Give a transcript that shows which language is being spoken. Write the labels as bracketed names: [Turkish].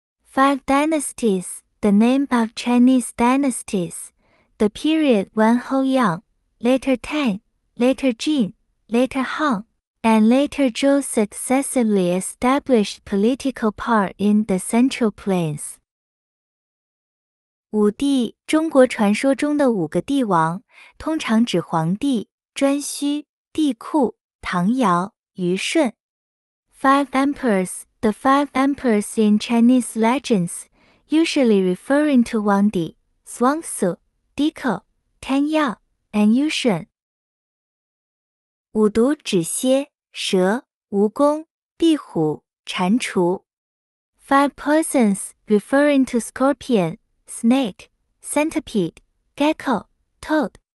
[English] Five dynasties, the name of Chinese dynasties, the period when Hou Yang, later Tang, later Jin, later Han, and later Zhou successively established political power in the central plains. [Chinese] 五帝中国传说中的五个帝王通常指黄帝颛顼帝喾唐尧虞舜。 [English] Five emperors, the five emperors in Chinese legends, usually referring to Wangdi, Xuanzu, Diko, Tanyao, and Yushun. [Chinese] 五毒指蝎、蛇、蜈蚣、壁虎、蟾蜍。 [English] Five poisons, referring to scorpion, snake, centipede, gecko, toad.